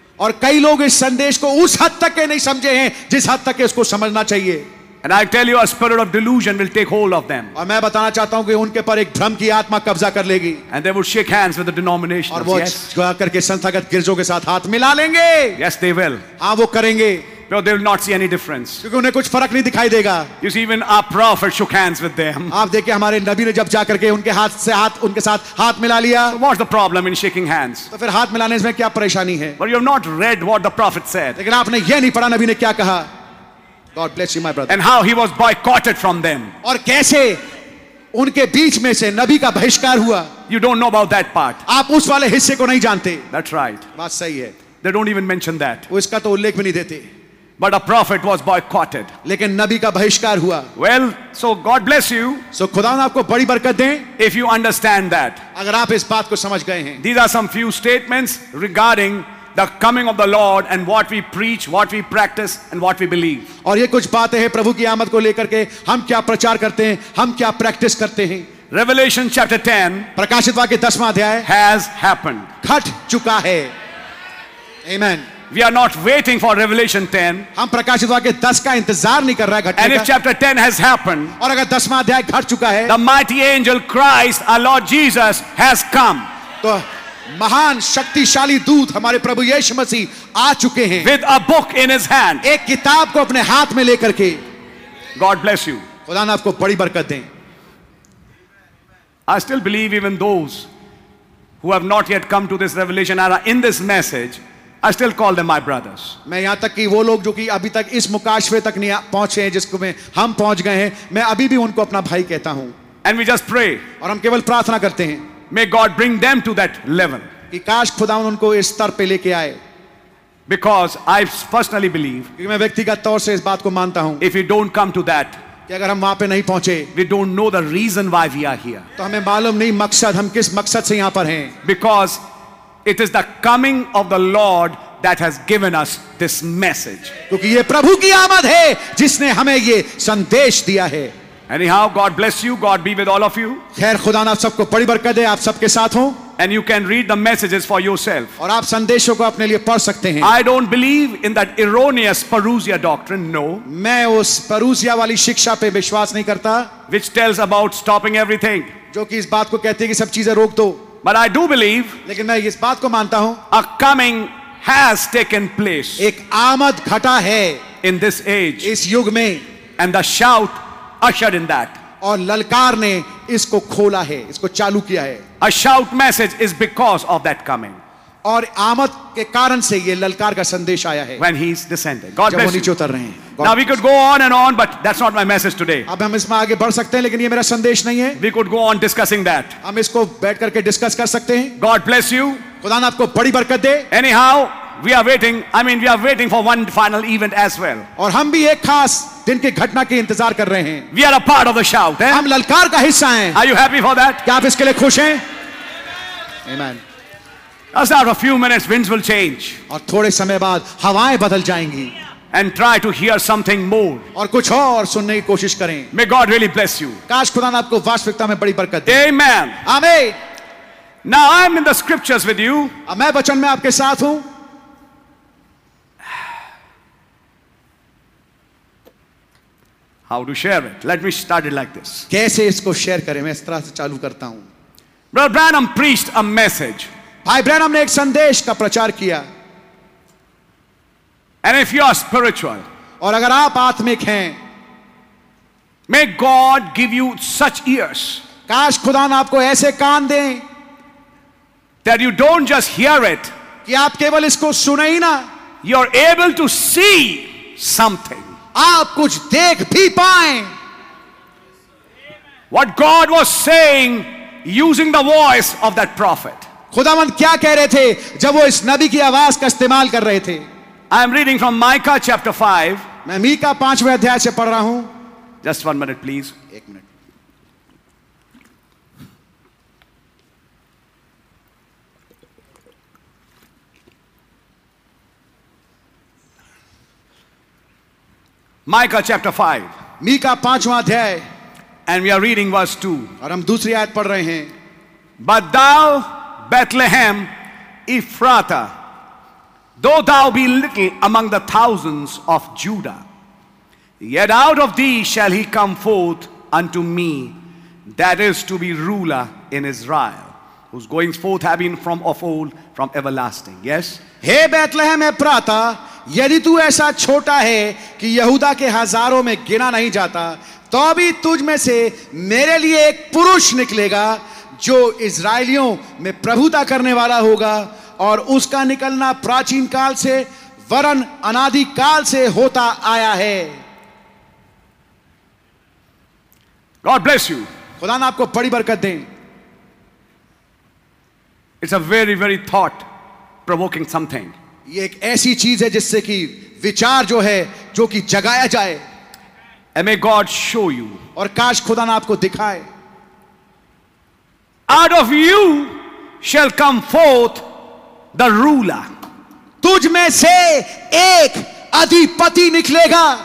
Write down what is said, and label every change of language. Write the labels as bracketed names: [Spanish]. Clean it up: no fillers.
[Hindi] और कई लोग इस संदेश को उस हद तक के नहीं समझे हैं जिस हद तक के इसको समझना चाहिए. [English] And I tell you, a spirit of delusion will take hold of them. [Hindi] और मैं बताना चाहता हूं कि उनके पर एक भ्रम की आत्मा कब्जा कर लेगी. [English] And they would shake hands with the denomination. [Hindi] और वो जाकर के संस्थागत गिरजों के साथ हाथ मिला लेंगे. [English] Yes, they will. [Hindi] हाँ, वो करेंगे. [English] But they will not see any difference. [Hindi] क्योंकि उन्हें कुछ फर्क नहीं दिखाई देगा. [English] You see, even our prophet shook hands with them. [Hindi] आप देखिए, हमारे नबी ने जब जाकर के उनके हाथ से हाथ उनके साथ हाथ मिला लिया. [English] So what's the problem in shaking hands? [Hindi] तो फिर हाथ मिलाने में क्या परेशानी है? [English] But you have not read what the prophet said. [Hindi] लेकिन आपने ये नहीं पढ़ा नबी ने क्या कहा. [English] God bless you, my brother. And how he was boycotted from them. [Hindi] और कैसे उनके बीच में से नबी का बहिष्कार हुआ. [English] You don't know about that part. [Hindi] आप उस वाले हिस्से को नहीं जानते. [English] That's right. [Hindi] बात सही है. [English] They don't even mention that. [Hindi] वो इसका तो उल्लेख भी नहीं देते. [English] But a prophet was boycotted. [Hindi] लेकिन नबी का बहिष्कार हुआ. [English] Well, so God bless you. [Hindi] So खुदा आपको बड़ी बरकत दे. [English] If you understand that. [Hindi] अगर आप इस बात को समझ गए हैं. [English] These are some few statements regarding the coming of the Lord and what we preach, what we practice, and what we believe. [Hindi] और ये कुछ बातें हैं प्रभु की आमद को लेकर के हम क्या प्रचार करते हैं, हम क्या प्रैक्टिस करते हैं. [English] Revelation chapter 10. [Hindi] प्रकाशित वाक्य दसवां अध्याय. [English] Has happened. [Hindi] घट चुका है. Amen. [English] we are not waiting for revelation 10. [Hindi] Hum prakashit vakya 10 ka intezar nahi kar rahe ghatne ka. [English] And if chapter 10 has happened, [Hindi] aur agar 10va adhyay ghat chuka hai, [English] the mighty angel Christ, our Lord Jesus, has come. [Hindi] To महान शक्तिशाली दूत हमारे प्रभु यीशु मसीह आ चुके हैं [English] with a book in his hand, [Hindi] एक किताब को अपने हाथ में लेकर के. [English] God bless you. [Hindi] खुदा ने आपको बड़ी बरकत दें. [English] I still believe even those who have not yet come to this revelation are in this message, I still call them my brothers. [Hindi] मैं यहां तक कि वो लोग जो कि अभी तक इस मुकाशवे तक नहीं पहुंचे हैं जिसको मैं हम पहुंच गए हैं, मैं अभी भी उनको अपना भाई कहता हूं. [English] and we just pray, [Hindi] और हम केवल प्रार्थना करते हैं. [English] May God bring them to that level. [Hindi] कि काश खुदावन उनको इस स्तर पे लेके आए. [English] Because I personally believe, [Hindi] क्योंकि मैं व्यक्तिगत तौर से इस बात को मानता हूं, [English] if we don't come to that, [Hindi] कि अगर हम वहां पे नहीं पहुंचे, [English] we don't know the reason why we are here. [Hindi] तो हमें मालूम नहीं मकसद, हम किस मकसद से यहां पर हैं. [English] Because it is the coming of the Lord that has given us this message. [Hindi] क्योंकि ये प्रभु की आमद है जिसने हमें ये संदेश दिया है. [English] Anyhow, God bless you. God be with all of you. [Hindi] खैर खुदा ने आप सबको बड़ी बरकत दे, आप सबके साथ हूँ. [English] And you can read the messages for yourself. [Hindi] और आप संदेशों को अपने लिए पढ़ सकते हैं. [English] I don't believe in that erroneous parousia doctrine. No. [Hindi] मैं उस परूसिया वाली शिक्षा पे विश्वास नहीं करता. [English] Which tells about stopping everything. [Hindi] जो कि इस बात को कहती है कि सब चीजें रोक दो. [English] But I do believe. [Hindi] लेकिन मैं इस बात को मानता हूँ. [English] A coming has taken place. [Hindi] एक आमद घटा है. [English] In this age. [Hindi] इस युग में. [English] And the shout. Ushered in that. [Hindi] और ललकार ने इसको खोला है, इसको चालू किया है. [English] A shout message is because of that coming. [Hindi] और आमद के कारण से ये ललकार का संदेश आया है. [English] When he is descending. God bless you. [Hindi] जब वो नीचे उतर रहे हैं. [English] Now we could go on and on, but that's not my message today. [Hindi] अब हम इसमें आगे बढ़ सकते हैं, लेकिन ये मेरा संदेश नहीं है. [English] We could go on discussing that. [Hindi] हम इसको बैठ करके डिस्कस कर सकते हैं. [English] God bless you. [Hindi] खुदा ने आपको बड़ी बरकत दे. [English] Anyhow, we are waiting for one final event as well. [Hindi] और हम भी एक खास दिन के घटना के इंतजार कर रहे हैं. [English] We are a part of the shout. [Hindi] हम ललकार का हिस्सा हैं. [English] Are you happy for that? [Hindi] क्या आप इसके लिए खुश हैं? [English] Amen. Just after a few minutes, winds will change. [Hindi] और थोड़े समय बाद हवाएं बदल जाएंगी. [English] And try to hear something more. [Hindi] और कुछ और सुनने की कोशिश करें. [English] May God really bless you. [Hindi] काश खुदा ने आपको वास्तविकता में बड़ी बरकत दे. Amen. [English] Amen. Now I am in the scriptures with you. [Hindi] अब मैं वचन में आपके साथ हूं. [English] How to share it? Let me start it like this. [Hindi] कैसे इसको शेयर करें? मैं इस तरह से चालू करता हूं. [English] Brother Branham preached a message. [Hindi] भाई ब्रैनम ने एक संदेश का प्रचार किया. [English] And if you are spiritual, [Hindi] और अगर आप आत्मिक हैं, [English] may God give you such ears. [Hindi] काश खुदा आपको ऐसे कान दें. [English] That you don't just hear it. [Hindi] कि आप केवल इसको सुने ही ना. [English] You are able to see something. [Hindi] आप कुछ देख भी पाए. [English] What God was saying using the voice of that prophet. [Hindi] खुदावंद क्या कह रहे थे जब वो इस नबी की आवाज का इस्तेमाल कर रहे थे. [English] I am reading from Micah chapter 5. [Hindi] मैं मीका पांचवें अध्याय से पढ़ रहा हूं. [English] Just one minute, please. [Hindi] एक minute. [English] Micah chapter 5. [Hindi] Mika panchwa adhyay. [English] And we are reading verse 2. [Hindi] Aur hum dusri ayat pad rahe hain. [English] But thou, Bethlehem Ephrathah, though thou be little among the thousands of Judah, yet out of thee shall he come forth unto me, that is to be ruler in Israel, whose goings forth have been from of old, from everlasting. Yes? [Hindi] Hey Bethlehem Ephrathah, यदि तू ऐसा छोटा है कि यहूदा के हजारों में गिना नहीं जाता, तो भी तुझ में से मेरे लिए एक पुरुष निकलेगा जो इसराइलियों में प्रभुता करने वाला होगा, और उसका निकलना प्राचीन काल से वरन अनादि काल से होता आया है. [English] God bless you. [Hindi] खुदा ने आपको बड़ी बरकत दें. [English] It's a very, very thought provoking something. [Hindi] ये एक ऐसी चीज है जिससे कि विचार जो है जो कि जगाया जाए. [English] May a God show you. [Hindi] और काश खुदा ने आपको दिखाए. [English] Out of you shall come forth the ruler. [Hindi] तुझ में से एक अधिपति निकलेगा.